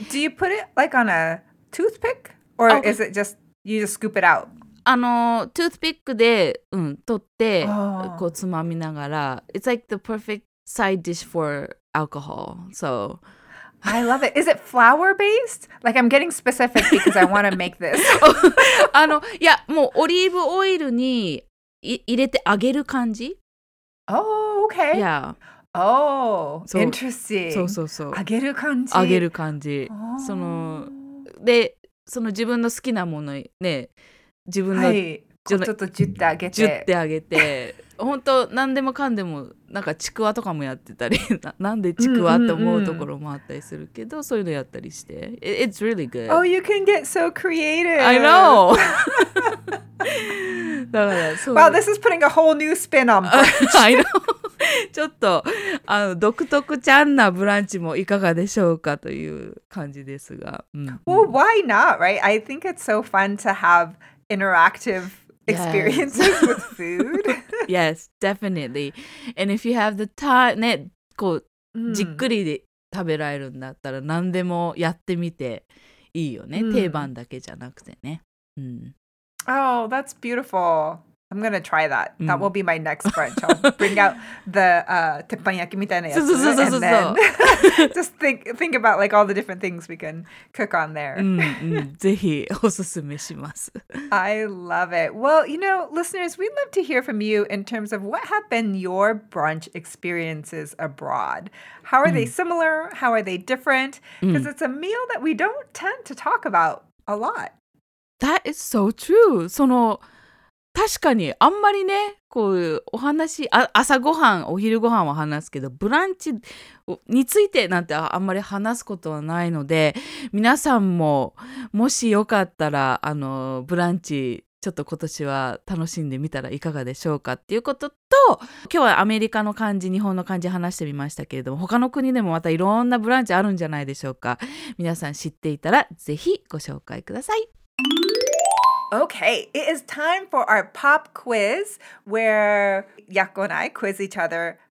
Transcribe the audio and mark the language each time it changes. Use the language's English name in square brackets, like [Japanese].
[English] Do you put it like on a toothpick? Or is it just, you just scoop it out? [Japanese] あの、トゥースピックで、うん、取って、こうつまみながら、 It's like the perfect side dish for alcohol, so... [English] I love it. Is it flour based? Like, I'm getting specific because I want to make this. [Japanese] あの、いや、もうオリーブオイルに入れて揚げる感じ? [English] Oh, okay. Yeah. Oh, so, interesting. [Japanese] そうそうそう。揚げる感じ? 揚げる感じ。Oh. その、で、その自分の好きなものにね、自分の、はい、ちょっとジュッて揚げて。ジュッて揚げて。本当何でもかんでもなんかちくわとかもやってたり なんでちくわって思うところもあったりするけど、うんうんうん、そういうのやったりして It's really good. [English] Oh, you can get so creative. I know. だからそう Wow, this is putting a whole new spin on brunch. I know. [Japanese] ちょっとあの独特ちゃんなブランチもいかがでしょうかという感じですが、うん、 [English] Well, why not, right? I think it's so fun to have interactive experiences with food. Yes, definitely. And if you have the time, ね、こう、じっくりで食べられるんだったら、何でもやってみていいよね。 [Japanese] 定番だけじゃなくてね。 [English] Oh, that's beautiful. I'm gonna try that. That will be my next brunch. I'll bring out the 鉄板焼きみたいなやつ。 [Japanese] そうそうそうそう。 [English] Just think about like all the different things we can cook on there. [Japanese] ぜひおすすめします。 [English] I love it. Well, you know, listeners, we'd love to hear from you in terms of what have been your brunch experiences abroad. How are they similar? How are they different? Because it's a meal that we don't tend to talk about a lot. That is so true. [Japanese] その確かにあんまりね、こうお話、朝ごはん、お昼ごはんは話すけど、ブランチについてなんてあんまり話すことはないので、皆さんももしよかったら、あのブランチちょっと今年は楽しんでみたらいかがでしょうかっていうことと、今日はアメリカの感じ、日本の感じ話してみましたけれども、他の国でもまたいろんなブランチあるんじゃないでしょうか。皆さん知っていたらぜひご紹介ください。 [English] Okay, it is time for our pop quiz where Yako and I quiz each other.